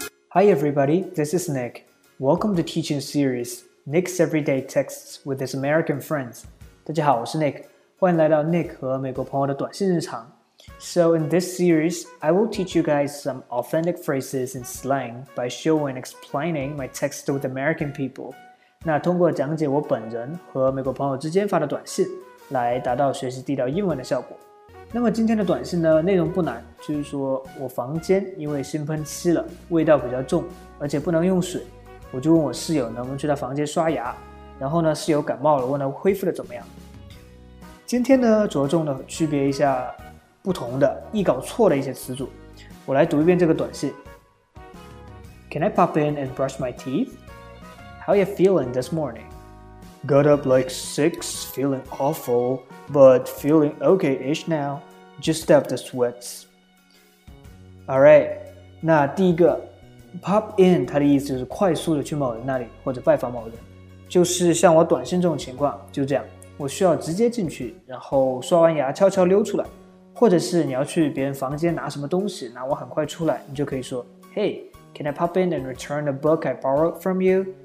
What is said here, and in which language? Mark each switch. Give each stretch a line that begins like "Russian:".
English: Hi everybody, this is Nick. Welcome to teaching series, Nick's Everyday Texts with his American friends.
Chinese: 大家好，我是 Nick， 欢迎来到 Nick 和美国朋友的短信日常。
English: So in this series, I will teach you guys some authentic phrases and slang by showing and explaining my texts with American people.
Chinese: 那通过讲解我本人和美国朋友之间发的短信，来达到学习地道英文的效果。那么今天的短信呢，内容不难，就是说我房间因为新喷漆了，味道比较重，而且不能用水，我就问我室友能不能去他房间刷牙，然后呢，室友感冒了，问他恢复的怎么样。今天呢，着重的区别一下不同的、易搞错的一些词组，我来读一遍这个短信。
English: Can I pop in and brush my teeth? How are you feeling this morning? Got up like 6, feeling awful, but feeling okay-ish now. Just have the sweats.
Chinese: Alright, 那第一个 pop in 它的意思就是快速的去某人那里或者拜访某人，就是像我短信这种情况，就这样，我需要直接进去，然后刷完牙悄悄溜出来，或者是你要去别人房间拿什么东西，那我很快出来，你就可以说
English: Hey, can I pop in and return the book I borrowed from you?